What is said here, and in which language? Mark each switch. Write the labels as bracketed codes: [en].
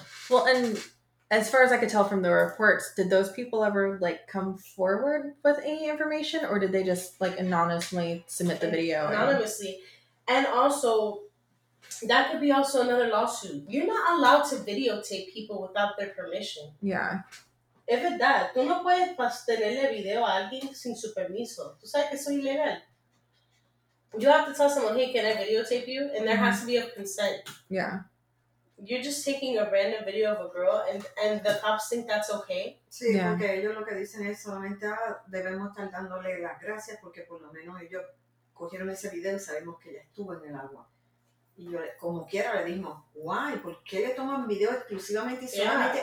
[en] Well, and as far as I could tell from the reports, did those people ever, like, come forward with any information? Or did they just, like, anonymously submit the video? Anonymously. And also, that could be also another lawsuit. You're not allowed to videotape people without their permission. Yeah. [es] Es verdad. Tú no puedes tenerle video a alguien sin su permiso. Tú sabes que eso es ilegal. [en] You have to tell someone, hey, can I videotape you? And there has to be a consent. Yeah. You're just taking a random video of a girl and the cops think that's okay? [es] Sí, yeah. Porque ellos lo que dicen es solamente debemos estar dándole las gracias porque por lo menos ellos cogieron ese video y sabemos que ella estuvo en el agua. Y yo, como quiera, le dimos, why? ¿Por qué le toman video exclusivamente y solamente